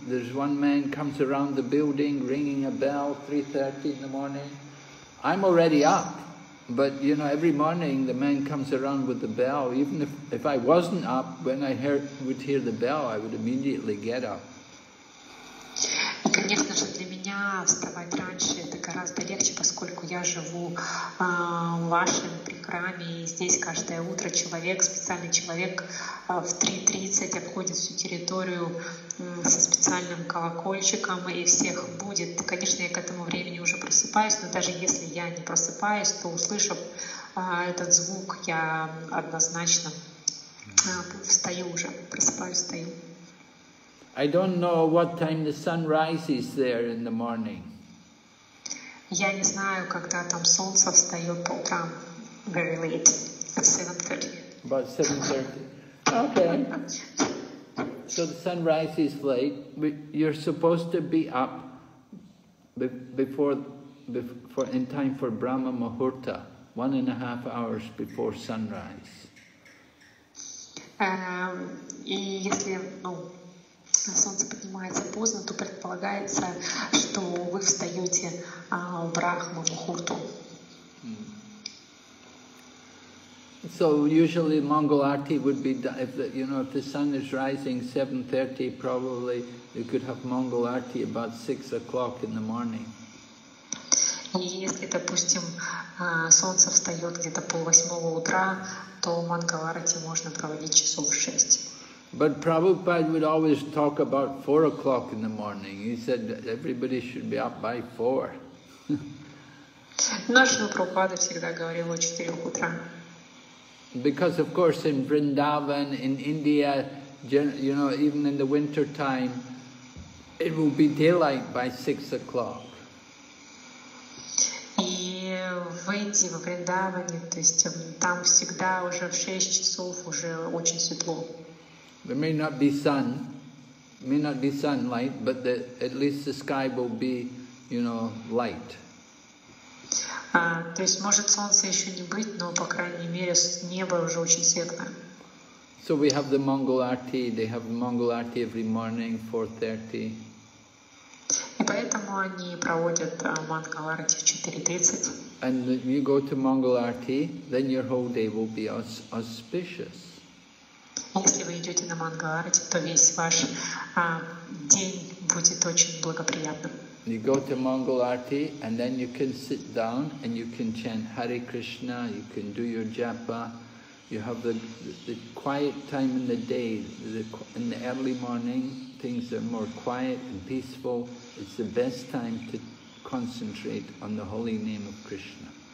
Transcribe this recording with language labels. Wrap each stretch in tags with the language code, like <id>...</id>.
<en>There's one man comes around the building ringing a bell 3:30 in the morning. I'm already up, but you know, every morning the man comes around with the bell. Even if I wasn't up, when I would hear the bell, I would immediately get up.</en> <ru>Конечно же, для меня вставать раньше это гораздо легче, поскольку я живу в вашем прихраме, и здесь каждое утро человек, специальный человек в 3:30 обходит всю территорию со специальным колокольчиком и всех будет. Конечно, я к этому времени уже просыпаюсь, но даже если я не просыпаюсь, то услышав этот звук, я однозначно встаю уже, просыпаюсь, встаю.</ru> <en>I don't know what time the sun rises there in the morning.</en> <ru>Я не знаю, когда там солнце встает по утрам.</ru> <en>Very late. At 7:30. About 7:30. Okay. So the sun rises late. You're supposed to be up before in time for Brahma Muhurta, 1.5 hours before sunrise.</en> <ru>Солнце поднимается поздно, то предполагается, что вы встаете в Брахма-мухурту.</ru> <en>So usually Mangal Aarti would be, if the sun is rising 7:30, probably you could have Mangal Aarti about 6 o'clock in the morning.</en> <ru>И если, допустим, солнце встает где-то 7:30, то Мангал Аарти можно проводить часов в 6.</ru> <en>But Prabhupada would always talk about 4 o'clock in the morning. He said that everybody should be up by 4.</en> <ru>Наш Прабхупада всегда говорил о 4 утра.</ru> <en>Because of course in Vrindavan, in India, even in the winter time, it will be daylight by 6 o'clock.</en> <ru>И в Индии, во Вриндаване, то есть там всегда уже в 6 часов уже очень светло.</ru> <en>There may not be sunlight, but at least the sky will be, light.</en> <ru>То есть может солнце еще не быть, но по крайней мере небо уже очень светлое.</ru> <en>So we have the Mangal Aarti. They have Mangal Aarti every morning, 4:30.</en> <ru>И поэтому они проводят Mangal Aarti в 4:30.</ru> <en>And you go to Mangal Aarti, then your whole day will be auspicious.</en> <ru>Если вы идете на Мангал Аарти, то весь ваш день будет очень благоприятным.</ru> <en>You go to Mangal Aarti, and then you can sit down and you can chant Hare Krishna, you can do your japa. You have the quiet time in the day. In the early morning, things are more quiet and peaceful. It's the best time to concentrate on the holy name of Krishna.</en>